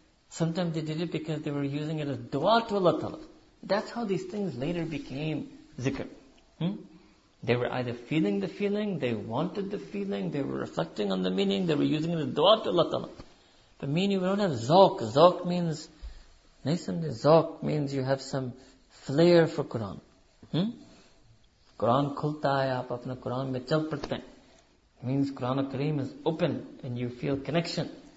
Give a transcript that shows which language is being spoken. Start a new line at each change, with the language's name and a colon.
English: Sometimes they did it because they were using it as dua to Allah Ta'ala. That's how these things later became zikr. They were either feeling the feeling, they wanted the feeling, they were reflecting on the meaning, they were using the dua to Allah Ta'ala. But meaning we don't have zawq. Zawq means, you have some flair for Qur'an.
Urdu: قرآن کھلتا ہے، آپ اپنا قرآن میں چل پڑتے ہیں۔
English: It means Qur'an al-Kareem is open and you feel connection.